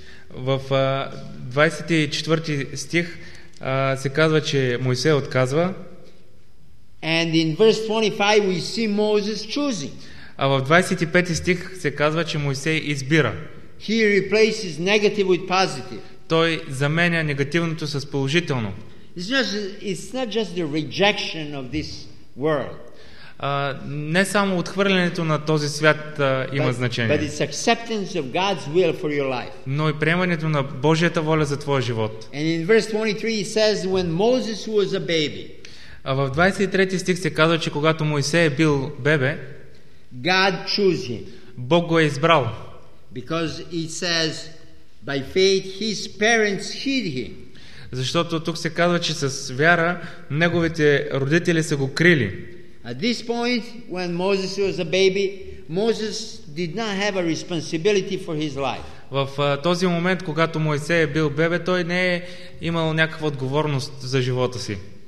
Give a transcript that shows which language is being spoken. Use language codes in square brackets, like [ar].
[bg] В 24 стих се казва, че Мойсей отказва. [en] And in verse 25 we see Moses choosing. [bg] А в 25 стих се казва, че Мойсей избира. [en] He replaces negative with positive. [bg] Той заменя негативното с положително. [en] It's not just the rejection of this world. [bg] Не само отхвърлянето на този свят има значение. [en] But it's acceptance of God's will for your life. [bg] Но и приемането на Божията воля за твоя живот. [en] And in verse 23 it says when Moses was a baby. [bg] А в 23 стих се казва, че когато Мойсей е бил бебе, [en] God chose him. [bg] Бог го е избрал. [en] Because it says by faith his parents hid him. [bg] Защото тук се казва, че с вяра неговите родители са го крили. [en] At this point, when Moses was a baby, Moses did not have a responsibility for his life. [bg] В този момент, когато Мойсей е бил бебе, той не е имал някаква отговорност за живота си.